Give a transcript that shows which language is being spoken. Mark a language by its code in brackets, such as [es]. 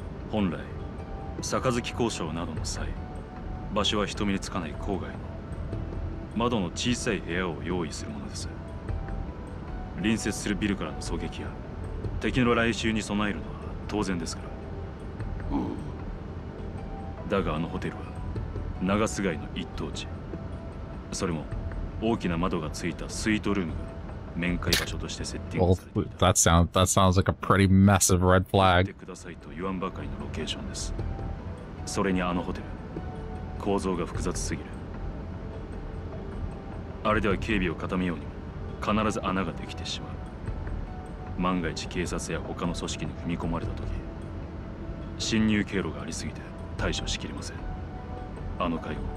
[ja] 本来、杯交渉などの際、 場所は人目につかない郊外の窓の小さい部屋を用意するものです。隣接するビルからの狙撃や敵の来襲に備えるのは当然ですから。だがあのホテルは長洲街の一等地それも大きな窓がついたスイートルームが面会場所としてセッティングされていた [en] that sounds like a pretty massive red flag 見 [ja] てくださいと言わんばかりのロケーションですそれにあのホテル構造が複雑すぎるあれでは警備を固めようにも必ず穴ができてしまう万が一警察や他の組織に踏み込まれた時侵入経路がありすぎて対処しきれませんあの会